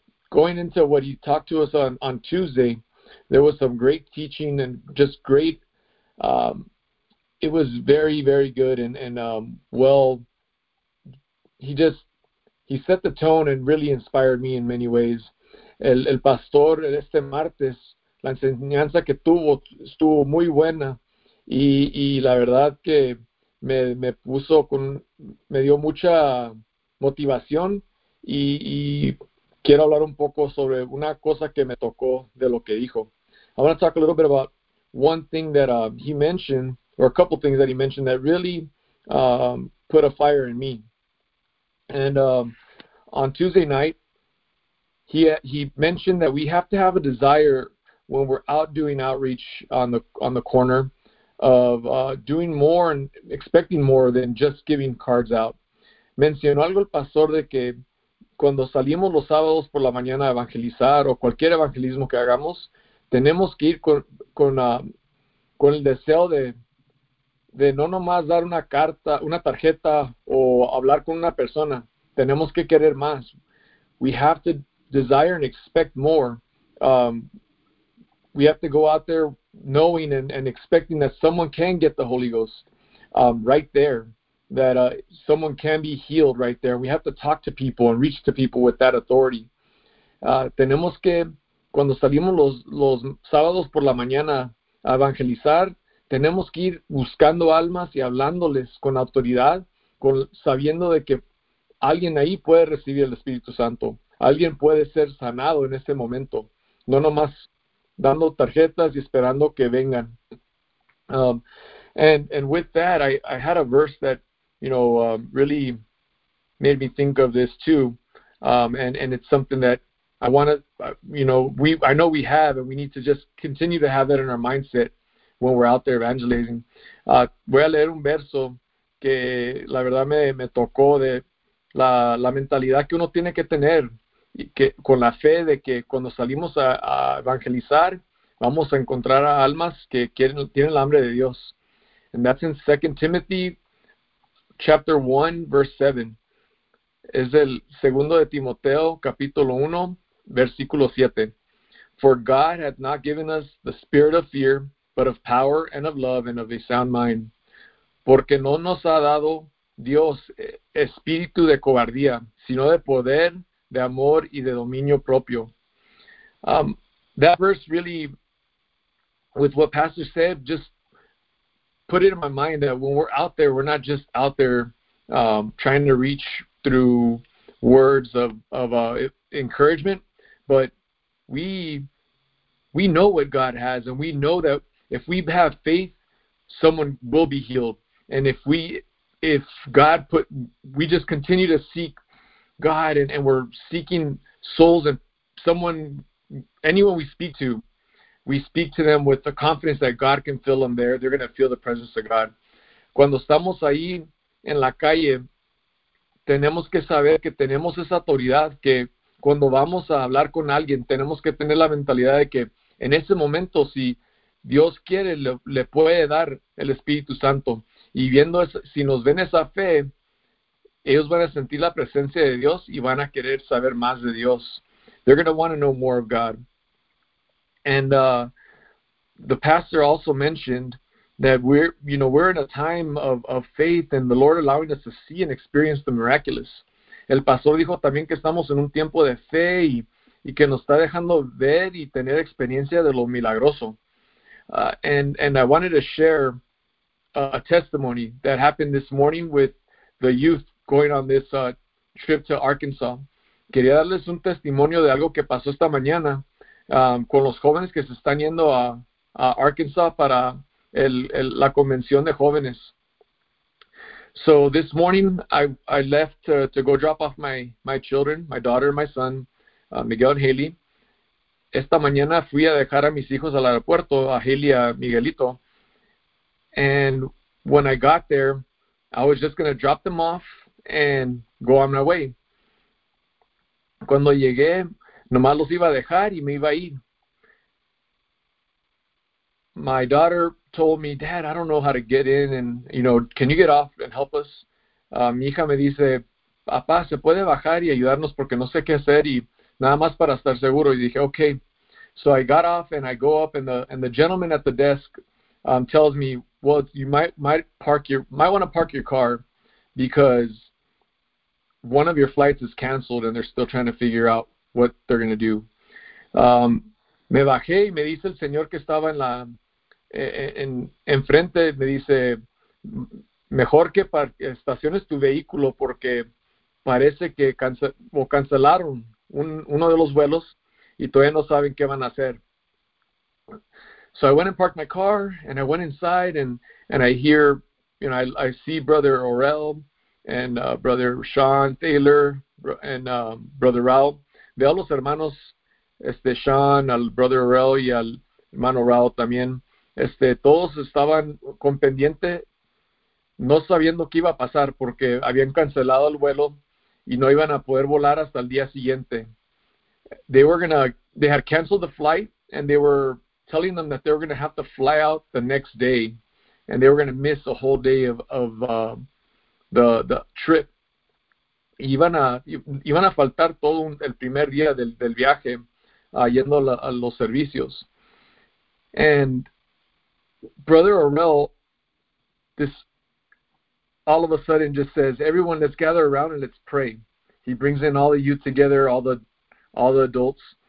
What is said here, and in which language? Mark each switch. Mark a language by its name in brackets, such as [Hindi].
[English] Going into what he talked to us on Tuesday, there was some great teaching and just great. It was very, very good, and well, he set the tone and really inspired me in many ways. [Spanish] El pastor este martes, la enseñanza que tuvo estuvo muy buena, y la verdad que me puso con me dio mucha motivación, y quiero hablar un poco sobre una cosa que me tocó de lo que dijo. [English] I want to talk a little bit about one thing that he mentioned, or a couple things that he mentioned that really put a fire in me. And on Tuesday night, he mentioned that we have to have a desire when we're out doing outreach on the corner of doing more and expecting more than just giving cards out. [Spanish] Mencionó algo el pastor de que cuando salimos los sábados por la mañana a evangelizar, o cualquier evangelismo que hagamos, tenemos que ir con el deseo de no nomás dar una carta, una tarjeta, o hablar con una persona. Tenemos que querer más. [English] We have to desire and expect more. We have to go out there knowing and expecting that someone can get the Holy Ghost right there. That someone can be healed right there. We have to talk to people and reach to people with that authority. [Spanish] Tenemos que, cuando salimos los sábados por la mañana a evangelizar, tenemos que ir buscando almas y hablándoles con autoridad, sabiendo de que alguien ahí puede recibir el Espíritu Santo. Alguien puede ser sanado en ese momento. No nomás dando tarjetas y esperando que vengan. [English] And with that, I had a verse that, really made me think of this too, and it's something that I want to, I know we have, and we need to just continue to have that in our mindset when we're out there evangelizing. [Spanish] Voy a leer un verso que la verdad me tocó, de la mentalidad que uno tiene que tener, y que con la fe de que cuando salimos a evangelizar vamos a encontrar a almas que tienen el hambre de Dios. [English] And that's in 2 Timothy Chapter 1, verse 7. [Spanish] Es el segundo de Timoteo, capítulo 1, versículo 7. [English] For God hath not given us the spirit of fear, but of power and of love and of a sound mind. [Spanish] Porque no nos ha dado Dios espíritu de cobardía, sino de poder, de amor y de dominio propio. [English] That verse really, with what Pastor said, just put it in my mind that when we're out there, we're not just out there trying to reach through words of encouragement, but we know what God has, and we know that if we have faith, someone will be healed. And we just continue to seek God, and we're seeking souls, and anyone we speak to, we speak to them with the confidence that God can fill them there. They're going to feel the presence of God. [Spanish] Cuando estamos ahí en la calle, tenemos que saber que tenemos esa autoridad, que cuando vamos a hablar con alguien, tenemos que tener la mentalidad de que en ese momento, si Dios quiere, le puede dar el Espíritu Santo. Y viendo eso, si nos ven esa fe, ellos van a sentir la presencia de Dios y van a querer saber más de Dios. [English] They're going to want to know more of God. And the pastor also mentioned that we're in a time of faith and the Lord allowing us to see and experience the miraculous. [Spanish] El pastor dijo también que estamos en un tiempo de fe y que nos está dejando ver y tener experiencia de lo milagroso. [English] And I wanted to share a testimony that happened this morning with the youth going on this trip to Arkansas. [Spanish] Quería darles un testimonio de algo que pasó esta mañana con los jóvenes que se están yendo a Arkansas para la convención de jóvenes. [English] So this morning I left to go drop off my children, my daughter and my son, Miguel and Haley. [Spanish] Esta mañana fui a dejar a mis hijos al aeropuerto, a Haley y a Miguelito. [English] And when I got there, I was just going to drop them off and go on my way. [Spanish] Cuando llegué, nomás los iba a dejar y me iba a ir. [English] My daughter told me, "Dad, I don't know how to get in, and can you get off and help us?" [Spanish] Mi hija me dice, "Papá, ¿se puede bajar y ayudarnos porque no sé qué hacer y nada más para estar seguro?" Y dije, "Okay." [English] So I got off and I go up, and the gentleman at the desk tells me, "Well, you might want to park your car because one of your flights is canceled and they're still trying to figure out what they're going to do." [Spanish] Me bajé y me dice el señor que estaba en la enfrente, me dice, "Mejor que estaciones tu vehículo porque parece que cancelaron uno de los vuelos y todavía no saben qué van a hacer." [English] So I went and parked my car and I went inside, and I hear, I see Brother Orel and Brother Sean Taylor and Brother Raul. [Spanish] Veo a los hermanos, Sean, al Brother Orel y al hermano Raul también. Todos estaban con pendiente, no sabiendo qué iba a pasar porque habían cancelado el vuelo y no iban a poder volar hasta el día siguiente. [English] They had canceled the flight and they were telling them that they were going to have to fly out the next day and they were going to miss a whole day of the trip. [Spanish] Iban a faltar todo el primer día del viaje yendo a los servicios. [English] And Brother Orel, this all of a sudden just says, "Everyone, let's gather around and let's pray." He brings in all the youth together, all the adults.